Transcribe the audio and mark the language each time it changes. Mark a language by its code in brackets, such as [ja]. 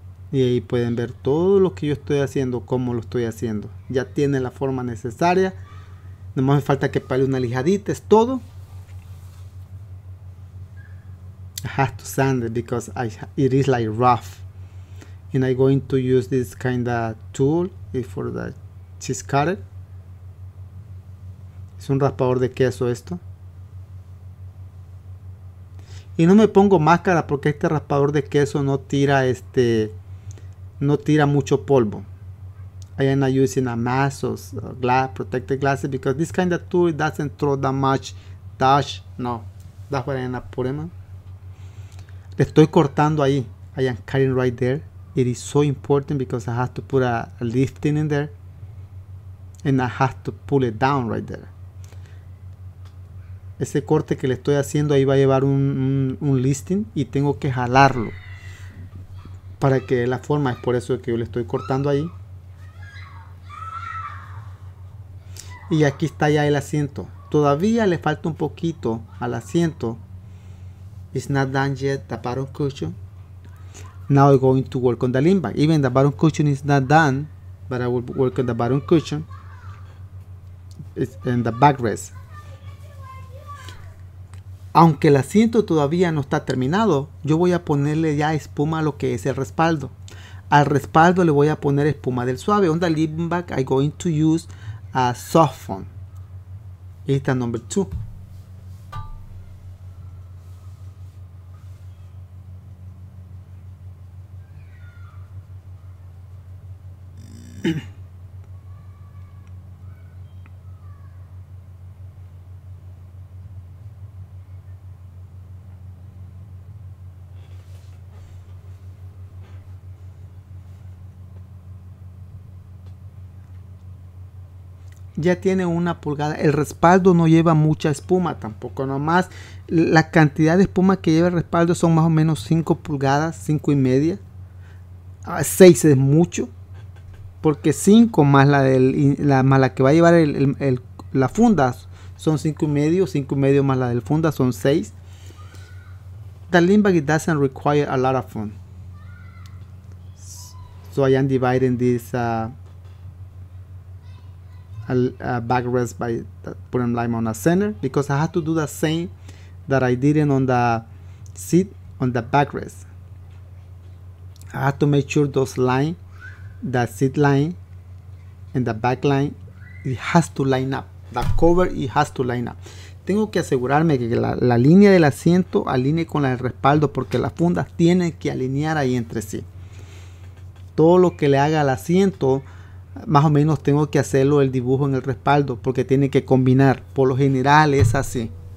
[es] Y ahí pueden ver todo lo que yo estoy haciendo, cómo lo estoy haciendo. Ya tiene la forma necesaria. Nomás me falta que pale una lijadita, es todo. [en] I have to sand it because it is like rough. And I'm going to use this kind of tool for the cheese cutter. [es] Es un raspador de queso esto. Y no me pongo máscara porque este raspador de queso no tira este... No tira mucho polvo. [en] I am not using a mask or glass, protected glasses, because this kind of tool doesn't throw that much dust. No, that's what I am putting. [es] Le estoy cortando ahí. [en] I am cutting right there. It is so important because I have to put a lifting in there. And I have to pull it down right there. [es] Ese corte que le estoy haciendo ahí va a llevar un listing y tengo que jalarlo. para que dé la forma. Es por eso que yo le estoy cortando ahí. Y aquí está ya el asiento. Todavía le falta un poquito al asiento. [en] It's not done yet, the bottom cushion. Now I'm going to work on the lean back. Even the bottom cushion is not done, but I will work on the bottom cushion. It's in the backrest. [es] Aunque el asiento todavía no está terminado, yo voy a ponerle ya espuma a lo que es el respaldo. Al respaldo le voy a poner espuma del suave. [en] On the lean back, I'm going to use a soft foam. It's the number two. [es] Ya tiene una pulgada. El respaldo no lleva mucha espuma tampoco, nomás la cantidad de espuma que lleva el respaldo son más o menos 5 pulgadas, 5 y media, 6 es mucho, porque 5 más la del, la más la que va a llevar el la funda son 5 y medio más la del funda son 6. [en] The lean bag doesn't require a lot of foam, so I am dividing this backrest by putting lime on the center, because I have to do the same that I did on the seat on the backrest. I have to make sure those line, that seat line and the back line, it has to line up. The cover, it has to line up. [es] Tengo que asegurarme que la línea del asiento alinee con la del respaldo, porque las fundas tienen que alinear ahí entre sí. Todo lo que le haga al asiento, más o menos tengo que hacerlo el dibujo en el respaldo, porque tiene que combinar. Por lo general es así.